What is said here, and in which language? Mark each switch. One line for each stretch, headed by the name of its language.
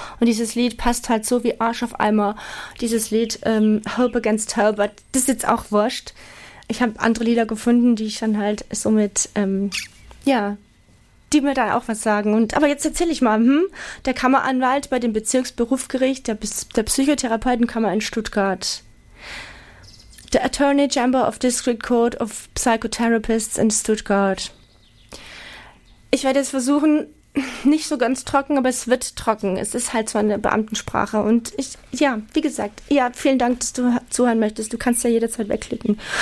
German: Und dieses Lied passt halt so wie Arsch auf Eimer, dieses Lied Hope Against Hope. Das ist jetzt auch wurscht. Ich habe andere Lieder gefunden, die ich dann halt somit, ja, die mir dann auch was sagen. Und aber jetzt erzähle ich mal, der Kammeranwalt bei dem Bezirksberufgericht, der Psychotherapeutenkammer in Stuttgart.
English: The Attorney General of District Court of Psychotherapists in Stuttgart.
German: Ich werde jetzt versuchen, nicht so ganz trocken, aber es wird trocken. Es ist halt so eine Beamtensprache. Und ich, ja, wie gesagt, ja, vielen Dank, dass du zuhören möchtest. Du kannst ja jederzeit wegklicken.